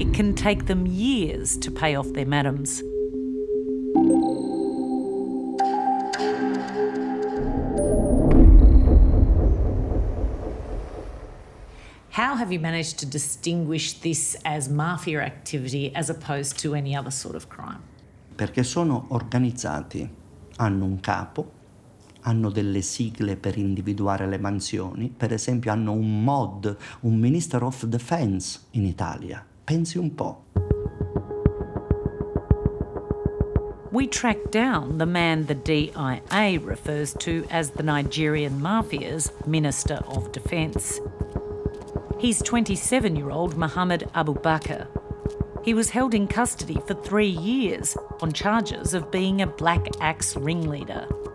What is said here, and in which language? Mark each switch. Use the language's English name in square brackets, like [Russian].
[English] It can take them years to pay off their madams. How have you managed to distinguish this as mafia activity as opposed to any other sort of crime? [Italian] Perché sono organizzati, hanno un capo, hanno delle sigle per individuare le mansioni, per esempio hanno un MOD, un Minister of Defense in Italia. Pensi un po'. [English] We tracked down the man the DIA refers to as the Nigerian Mafia's Minister of Defense. He's 27-year-old Mohammed Abubakar. He was held in custody for 3 years on charges of being a Black Axe ringleader.